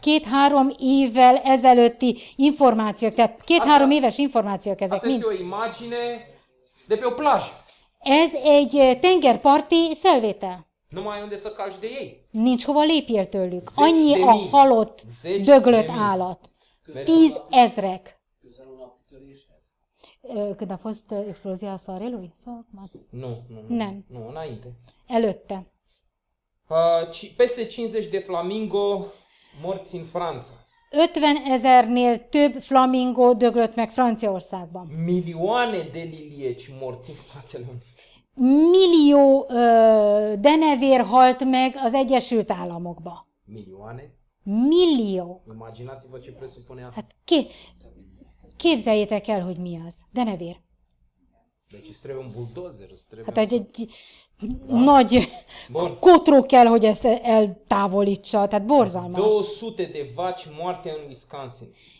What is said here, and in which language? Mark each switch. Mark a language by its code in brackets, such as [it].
[hu] Két-három évvel ezelőtti információk, tehát két-három éves információk ezek mind. [ro] Asta este o imagine de pe o plajă. [hu] Ez egy tengerparti felvétel. [ro] Numai unde să calci de ei. [hu] Nincs hova lépjél tőlük. Annyi a halott, döglött állat. Tíz ezrek. [ro] Când a fost explozia a szarelui? [hu] Nem. [ro] Nu, înainte. [hu] Előtte. [ro] Peste 50 de flamingo morți în Franța. [hu] 50 ezernél több flamingo döglött meg Franciaországban. [ro] Milioane de lilieci morți în Statele Unite. [hu] Millió denevér halt meg az Egyesült Államokba. [ro] Millióane? [hu] Millió. [ro] Imaginați-vă ce presupune asta. [hu] Hát képzeljétek el, hogy mi az. Denevér. [ro] Deci îți trebuie un bulldozer. [hu] Hát egy nagy kotró kell, hogy ezt eltávolítsa. Tehát borzalmas. [ro] 200 de vaci moarte în Wisconsin.